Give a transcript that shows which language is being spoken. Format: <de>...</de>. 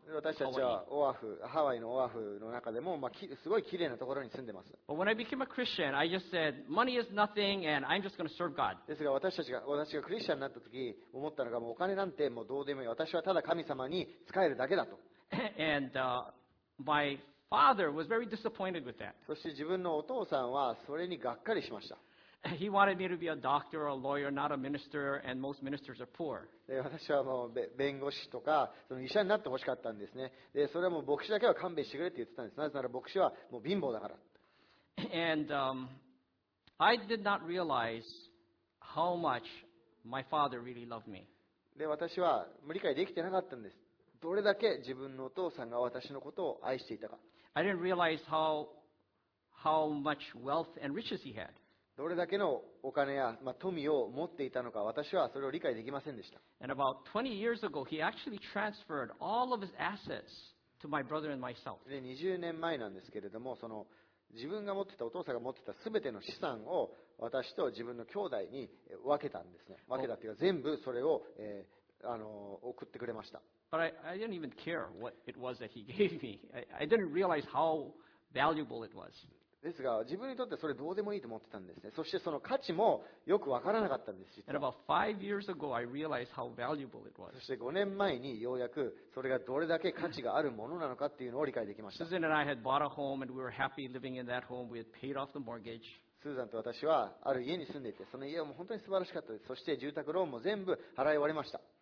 <ja>私たちはオアフ、ハワイのオアフの中でも、すごい綺麗なところに住んでます。</ja> <en>But when I became a Christian, I just said, money is nothing, and I'm just going to serve God.</en> <ja>ですが私がクリスチャンになった時、思ったのが、もうお金なんてもうどうでもいい。私はただ神様に仕えるだけだと。</ja> <en>And my Father was very disappointed with that.</en> <ja>そして自分のお父さんはそれにがっかりしました。</ja> <en>He wanted me to be a doctor or a lawyer, not a minister, and most ministers are poor.</en> <ja>私はもう弁護士とかその医者になってほしかったんですね。で、それはもう牧師だけは勘弁してくれって言ってたんです。なぜなら牧師はもう貧乏だから。</ja> <en>And I did not realize how much my father really loved me.</en> <ja>で、私は理解できてなかったんです。どれだけ自分のお父さんが私のことを愛していたか。</ja> <en>I didn't realize how much wealth and riches he had.</en> <ja>どれだけのお金や、富を持っていたのか、私はそれを理解できませんでした。</ja> <en>And about 20 years ago, he actually transferred all of his assets to my brother and myself.</en> <ja>で、20年前なんですけれども、その自分が持ってた、お父さんが持ってたすべての資産を私と自分の兄弟に分けたんですね。分けたっていうか、全部それを、送ってくれました。</ja> <en>But I didn't even care what it was that he gave me. I didn't realize how valuable it was.</en> <ja>ですが、自分にとってそれどうでもいいと思ってたんですね。そしてその価値もよくわからなかったんです。</ja> <en>And about 5 years ago, I realized how valuable it was.</en> <ja>そして5年前にようやくそれがどれだけ価値があるものなのかっていうのを理解できました。</ja> <en>Susan and I had bought a home, and we were happy living in that home. We had paid off the mortgage.</en> <ja>スーザンと私はある家に住んでいて、その家も本当に素晴らしかったです。そして住宅ローンも全部払い終わりました。</ja>